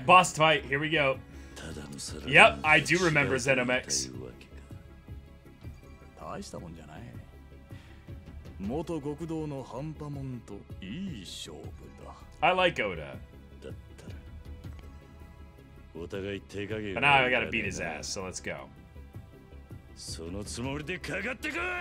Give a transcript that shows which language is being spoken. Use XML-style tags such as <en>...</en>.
<en>Alright, boss fight, here we go. Yep, I do remember ZeniMax.</en> <ja>大したもんじゃない。元極道の半端もんといい勝負だ。</ja> <en>I like Oda.</en> <ja>だったら、お互い手加減。</ja> <en>But now I gotta beat his ass, so let's go.</en> <ja>そのつもりでかかってこい。</ja>